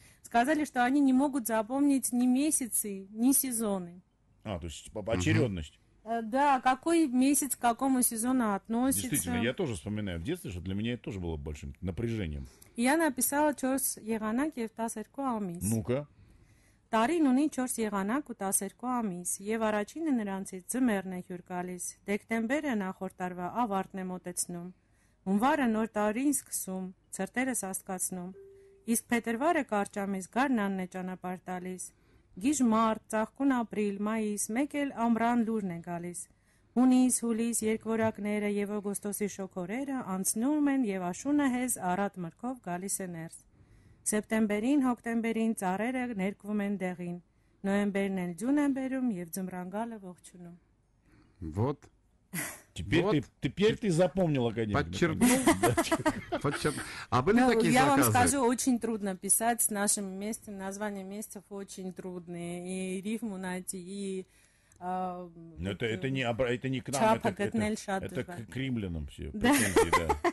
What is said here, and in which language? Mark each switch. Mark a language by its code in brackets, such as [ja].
[ru] Сказали, что они не могут запомнить ни месяцы, ни сезоны. А, то есть очередность. Да, какой месяц к какому сезону относится. Действительно, я тоже вспоминаю в детстве, что для меня это тоже было большим напряжением. Я написала [hy] «Чёрс Еганаки Евтасэрку Амис». [ru] Ну-ка. [hy] Տարին ունի 4 եղանակ ու 12 ամիս, եւ առաջինը նրանցից ձմեռն է հյուր գալիս, դեկտեմբերը նախորդ տարվա ավարտն է մոտեցնում, հունվարը նոր տարին սկսում, ցրտերս աստկացնում, իսկ փետրվարը կարճամիս գարնանն է ճանապարհ տալիս, գիժ մարտ, ծաղկուն ապրիլ, մայիս, մեկ էլ ամռան լուրն է գալիս, հունիս, հուլիս, երկվորակները եւ օգոստոսի շոգորերը անցնում են եւ աշունը հեզ առատ մրգով գալիս է ներս. Սեպտեմբերին, հոկտեմբերին ծառերը ներկվում են դեղին, նոյեմբերն էլ ձյուն են բերում և ձմռանգալը ողջունում. [ru] Вот. Теперь ты запомнила, конечно. Подчеркнул. А были такие заказы? Я вам скажу, очень трудно писать с нашими местами. Названия месяцев очень трудные. И рифму найти, и... Но это не к нам, это к римлянам все претензии, да.